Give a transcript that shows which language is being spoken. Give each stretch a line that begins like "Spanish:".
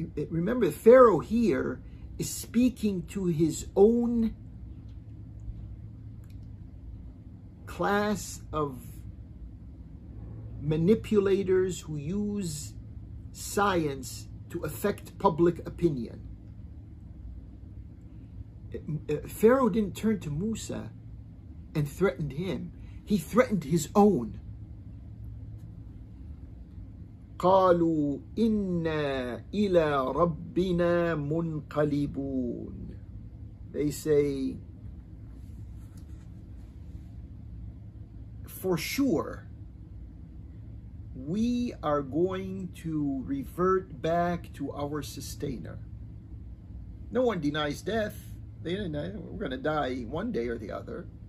English: Remember, Pharaoh here is speaking to his own class of manipulators who use science to affect public opinion. Pharaoh didn't turn to Musa and threatened him. He threatened his own.
Arabic: قالوا إنا إلى ربنا منقلبون.
English: They say, for sure, we are going to revert back to our sustainer. No one denies death. They didn't, we're going to die one day or the other.